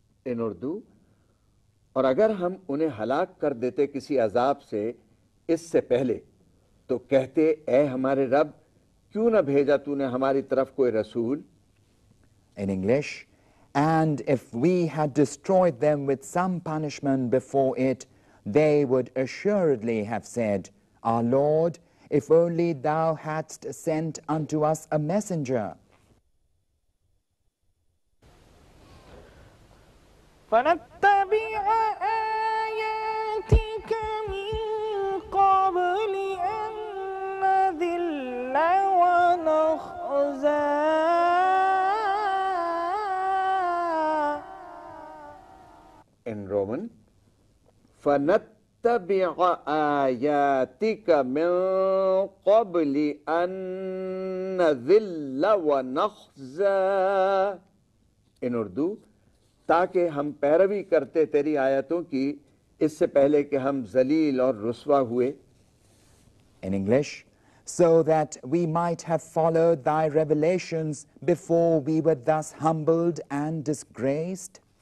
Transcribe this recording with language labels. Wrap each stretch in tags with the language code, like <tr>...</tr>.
<en>In Urdu,</en> <ur>اور اگر ہم انہیں ہلاک کر دیتے کسی عذاب سے اس سے پہلے تو کہتے اے ہمارے رب کیوں نہ بھیجا تو نے ہماری طرف کوئی رسول.</ur> <en>In English, and if we had destroyed them with some punishment before it, they would assuredly have said, our Lord, if only thou hadst sent unto us a messenger.</en> <ar>فنتبع آياتك من قبل أن نذل ونخزى.</ar> <en>In Roman,</en> <ar>فنتبع آياتك من قبل أن نذل ونخزى.</ar> <en>In Urdu,</en> <ur>تاکہ ہم پیروی کرتے تیری آیتوں کی اس سے پہلے کہ ہم ذلیل اور رسوا ہوئے.</ur> <en>In English, so that we might have followed thy revelations before we were thus humbled and disgraced.</en>